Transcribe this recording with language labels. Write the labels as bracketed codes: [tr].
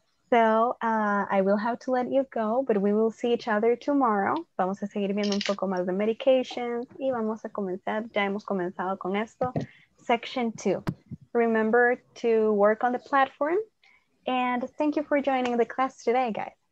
[en] So I will have to let you go, but we will see each other tomorrow. [es] Vamos a seguir viendo un poco más de medications y vamos a comenzar, ya hemos comenzado con esto, section 2. [en] Remember to work on the platform and thank you for joining the class today, guys.